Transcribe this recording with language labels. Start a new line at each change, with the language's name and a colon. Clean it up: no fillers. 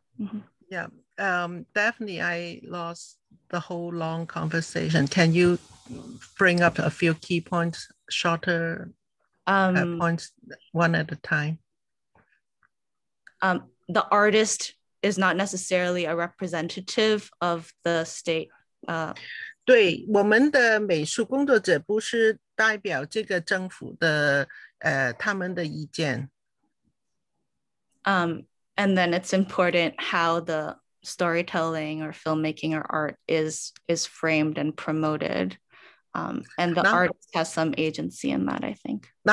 English: Mm-hmm. Yeah, definitely. I lost the whole long conversation. Can you bring up a few key points, shorter? Points one at a time. The artist is not necessarily a representative of the state.
Chinese: 对，我们的美术工作者不是代表这个政府的，他们的意见。
English: And then it's important how the storytelling or filmmaking or art is framed and promoted. And the artist has some agency in that, I think.